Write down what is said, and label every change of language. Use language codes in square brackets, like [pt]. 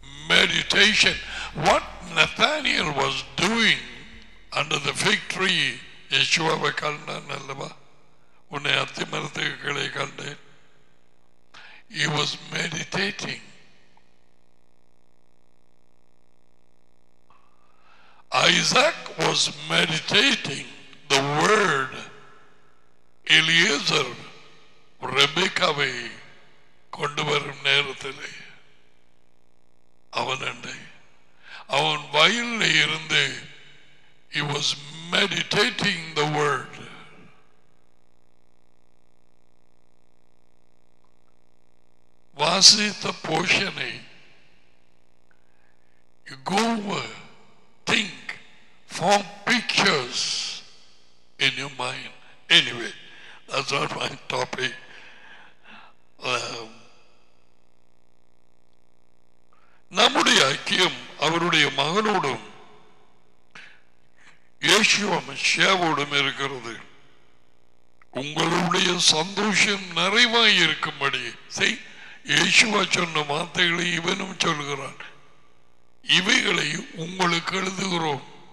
[en] meditation, what Nathaniel was doing under the fig tree, [ta] யேசுவாவை கண்டான் அல்லவா, உன்னை அத்தி மரத்துக்கு கீழே கண்டேன், [en] He was meditating. Isaac was meditating the word. [ta] Eliezer Rebekah-வை கொண்டு வரும் நேரத்தில் அவன் அண்டை அவன் வயலில் இருந்து [en] he was meditating the word. [ta] வாசித்த போஷனை [en] you go think form pictures in your mind. Anyway, that's not my topic. [ta] நம்முடைய ஐக்கியம் அவருடைய மகனோடும் யேசுவோடும் இருக்கிறது. உங்களுடைய சந்தோஷம் நிறைவாய் இருக்கும்படி, யேசுவா சொன்ன வார்த்தைகளை இவனும் சொல்கிறான், இவைகளை உங்களுக்கு எழுதுகிறோம்.